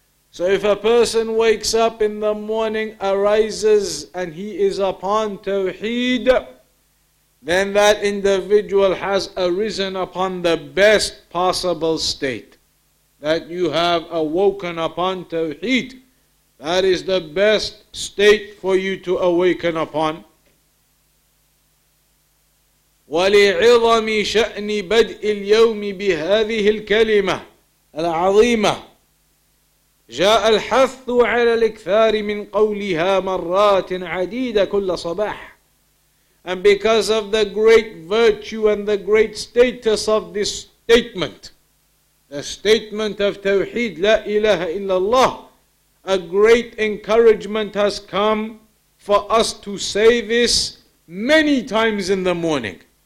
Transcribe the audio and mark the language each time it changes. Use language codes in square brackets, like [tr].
[en] So if a person wakes up in the morning, arises, and he is upon Tawheed, then that individual has arisen upon the best possible state. That you have awoken upon Tawheed, that is the best state for you to awaken upon. [ar] ولعظم شأن بدء اليوم بهذه الكلمة العظيمة جاء الحث على الإكثار من قولها مرات عديدة كل صباح. [en] And because of the great virtue and the great status of this statement, the statement of Tawheed لا إله إلا الله, a great encouragement has come for us to say this many times in the morning.